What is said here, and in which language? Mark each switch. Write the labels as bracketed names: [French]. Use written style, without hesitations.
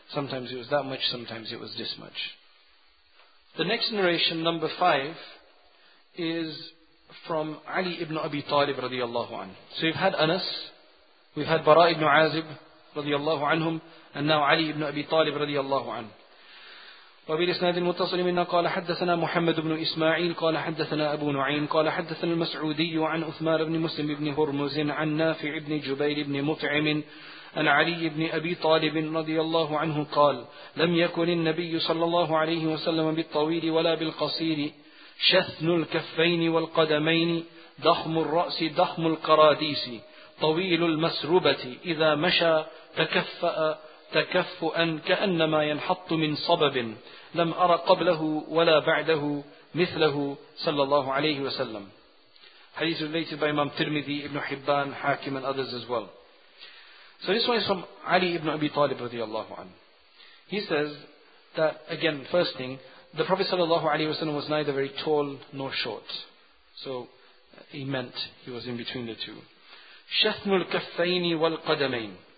[English] Sometimes it was that much, sometimes it was this much. The next narration, number 5, is from Ali ibn Abi Talib radiallahu anhu. So we've had Anas, we've had Bara ibn Azib radiallahu anhum, and now Ali ibn Abi Talib radiallahu anhu. [Arabic] وبالإسناد المتصل منا قال حدثنا محمد بن إسماعيل قال حدثنا أبو نعيم قال حدثنا المسعودي عن أثمان بن مسلم بن هرمز عن نافع بن جبير بن مطعم عن علي بن أبي طالب رضي الله عنه قال لم يكن النبي صلى الله عليه وسلم بالطويل ولا بالقصير شثن الكفين والقدمين ضخم الرأس ضخم القراديس طويل المسروبة إذا مشى تكفأ تكفؤا كأنما ينحط من صبب لم أرى قبله ولا بعده مثله صلى الله عليه وسلم. [English] Hadith related by Imam Tirmidhi, Ibn Hibban, Hakim and others as well. So this one is from Ali ibn Abi Talib radiallahu anhu. He says that, again, first thing, the Prophet sallallahu alayhi wa sallam was neither very tall nor short. So he meant he was in between the two. Shathnul kaffayni wal qadamain.